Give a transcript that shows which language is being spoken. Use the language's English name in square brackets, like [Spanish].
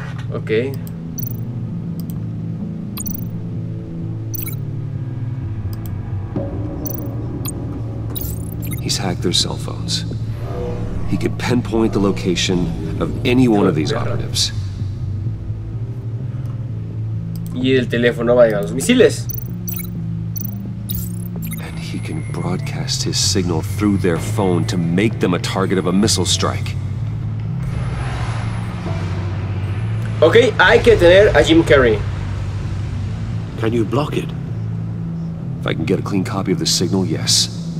[English] Okay. He's hacked their cell phones. He could pinpoint the location of any one of these operatives. [Spanish] Y el teléfono va a llegar a los misiles. [English] And he can broadcast his signal through their phone to make them a target of a missile strike. [Spanish] Okay, hay que tener a Jim Carrey. [English] Can you block it? If I can get a clean copy of the signal, yes.